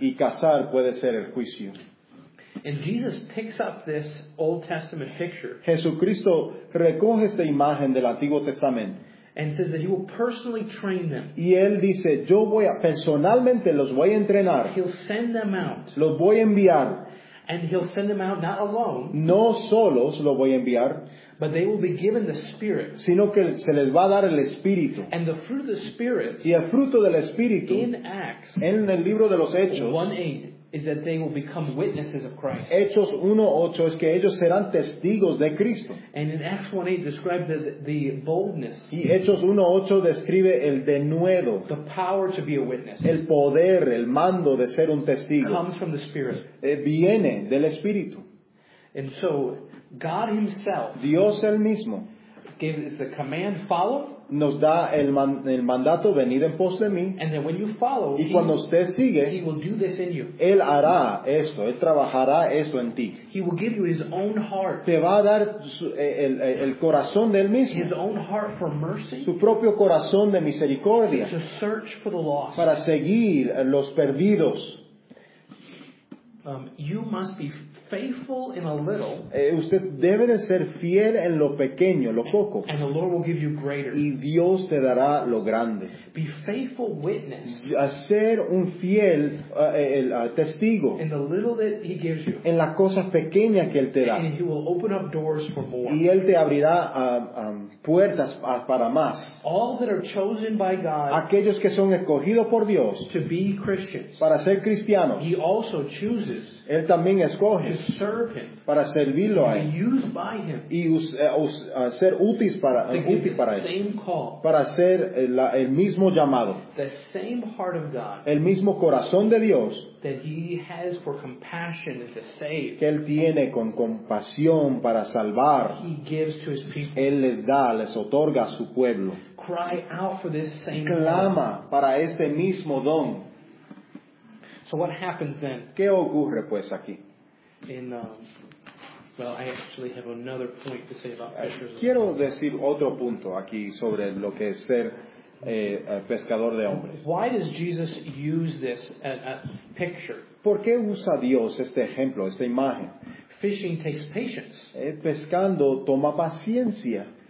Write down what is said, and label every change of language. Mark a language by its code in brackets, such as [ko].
[es] y cazar puede ser el juicio. [en] And Jesus picks up this Old Testament picture. [es] Jesucristo recoge esta imagen del Antiguo Testamento. [en] And says that he will personally train them. [es] Y él dice, yo voy a personalmente los voy a entrenar. [en] He'll send them out. [es] Los voy a enviar. [en] And he'll send them out not alone. [es] No solos los voy a enviar. [en] But they will be given the Spirit. [es] Sino que se les va a dar el Espíritu. [en] And the fruit of the Spirit. [es] Y el fruto del Espíritu. [en] In Acts. [es] En el libro de los Hechos. [en] 1:8. Is that they will become witnesses of Christ. [es] Hechos 1:8 es que ellos serán testigos de Cristo. [en] And in Acts 1:8 describes the boldness. [es] Y Hechos 1:8 describe el denuedo. [en] The power to be a witness. [es] El poder, el mando de ser un testigo. [en] Comes from the Spirit. [es] Viene del Espíritu. [en] And so God himself, [es] Dios el mismo, [en] gives a command, follow. [es] nos da el mandato venir en pos de mí. [en] And then when you follow, [es] y cuando usted sigue, [en] he will do this in you. [es] Él hará esto, Él trabajará esto en ti. [en] He will give you his own heart. [es] Te va a dar su, el corazón de Él mismo. [en] His own heart for mercy. [es] Su propio corazón de misericordia. [en] To search for the lost. [es] Para seguir los perdidos. [en] You must be faithful in a little. [es] Usted debe de ser fiel en lo pequeño, lo poco. [en] And the Lord will give you greater. [es] Y Dios te dará lo grande. [en] Be faithful witness. [es] Ser un fiel testigo. [en] In the little that He gives you. [es] En la cosa pequeña que Él te da. [en] And He will open up doors for more. [es] Y Él te abrirá puertas para más. [en] All that are chosen by God. [es] Aquellos que son escogidos por Dios. [en] To be Christians. [es] Para ser cristianos. [en] He also chooses. [es] Él también escoge [en] to serve him, [es] para servirlo a [en] Él by him, [es] y ser útil para útil para Él [en] same call, [es] para ser el mismo llamado [en] the same heart of God, [es] el mismo corazón de Dios [en] that he has for compassion to save, [es] que Él tiene con compasión para salvar [en] he gives to his people, [es] Él les da, les otorga a su pueblo [en] cry out for this same [es] clama God. Para este mismo don. [en] So what happens then? [es] ¿Qué ocurre pues aquí? [en] In, well, I actually have another point to say about fishers. [es] Quiero decir otro punto aquí sobre lo que es ser pescador de hombres. [en] Why does Jesus use this picture? [es] ¿Por qué usa Dios este ejemplo, esta imagen? [en] Fishing takes patience. [es] Pescando toma paciencia.